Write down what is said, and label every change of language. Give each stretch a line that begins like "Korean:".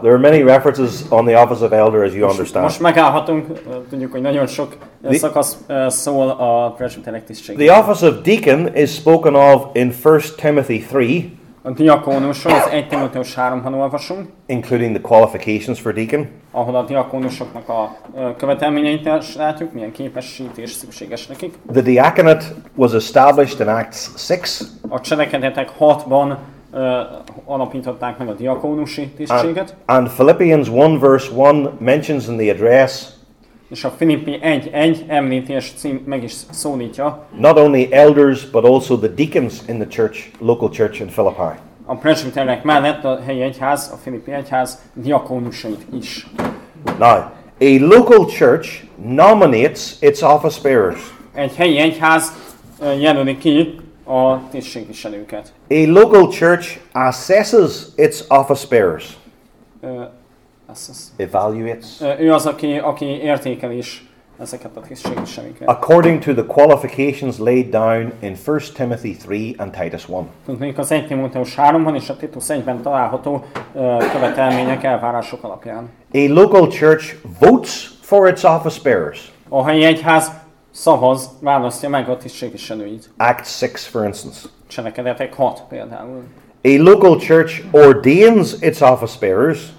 English: There are many references on the office of elder, as you understand.
Hungarian: Most megállhatunk, tudjuk, hogy nagyon sok szakasz szól a presbiterek tisztségére.
English: The office of deacon is spoken of in 1 Timothy 3.
Hungarian: A diakónusról az 1 Timóteus 3-ban olvasunk.
English: Including the qualifications for deacon.
Hungarian: Ahol a diakónusoknak a követelményeit látjuk, milyen képesítés szükséges nekik.
English: The diaconate was established in Acts 6.
Hungarian: A cselekedetek 6-ban alapították meg a diakónusi tisztséget.
English: And Philippians 1 verse 1 mentions in the address.
Hungarian: És a Filippi 1:1 említés cím meg is szólítja.
English: Not only elders, but also the deacons in the church, local church in Philippi.
Hungarian: A presbiternek mellett a helyi egyház, a Filippi egyház diakónusait is.
English: Now, a local church nominates its office bearers.
Hungarian: Egy helyi egyház jelöli ki a tisztségviselőket.
English: A local church assesses its office bearers. Evaluates.
Hungarian: Ő az, aki értékel is ezeket a tisztségviselőket.
English: According to the qualifications laid down in 1 Timothy 3 and Titus 1.
Hungarian: Tudnék az 1 Timóteus 3-ban és a Titus 1-ben található követelmények, elvárások alapján.
English: A local church votes for its office bearers.
Hungarian: A helyi egyház szavaz, választja meg a tisztségviselőit.
English: Acts 6, for instance.
Hungarian: Cselekedetek 6, például.
English: A local church ordains its office bearers.